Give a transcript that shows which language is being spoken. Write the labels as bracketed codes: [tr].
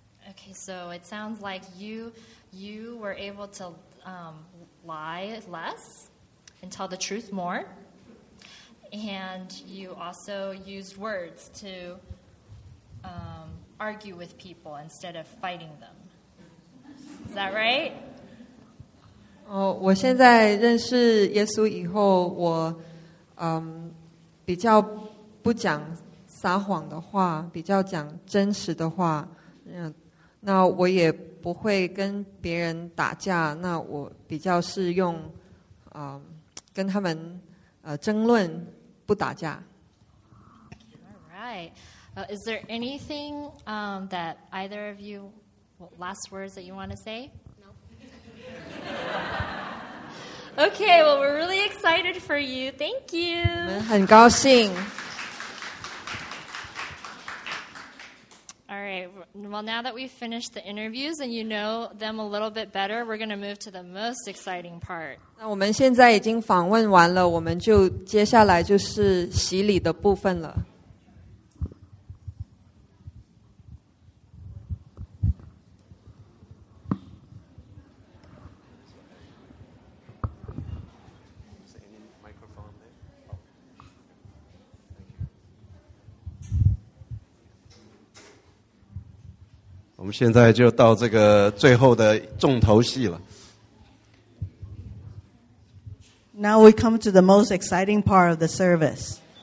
[en] Okay, so it sounds like you were able to lie less and tell the truth more. And you also used words to argue with people instead of fighting them. Is that right? [zh] 我现在认识耶稣以后，我比较不讲撒谎的话，比较讲真实的话。那我也不会跟别人打架。那我比较是用跟他们争论。 [en] All right. Is there anything that either of you, last words that you want to say? No. Okay, well, we're really excited for you. Thank you. [zh] 很高兴。 [en] All right. Well, now that we've finished the interviews and you know them a little bit better, we're going to move to the most exciting part. [zh] 那我们现在已经访问完了，我们就接下来就是洗礼的部分了。我们现在就到这个最后的重头戏了。 [en] Now we come to the most exciting part of the service.